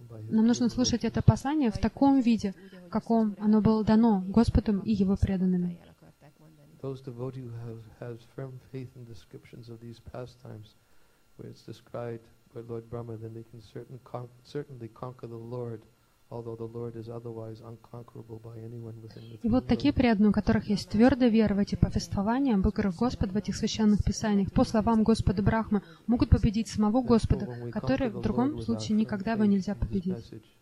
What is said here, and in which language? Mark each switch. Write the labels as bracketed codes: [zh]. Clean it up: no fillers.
[ru] Нам нужно слушать это послание в таком виде, в каком оно было дано Господом и Его преданными. [en] Those devotees who have firm faith in descriptions of these pastimes, where it's described by Lord Brahma, then they can certainly conquer the Lord, although the Lord is otherwise unconquerable by anyone within the throne. [ru] И вот такие преданные, у которых есть твердая вера в эти повествования, в играх Господа, в этих священных писаниях, по словам Господа Брахмы, могут победить самого Господа, который в другом случае никогда его нельзя победить.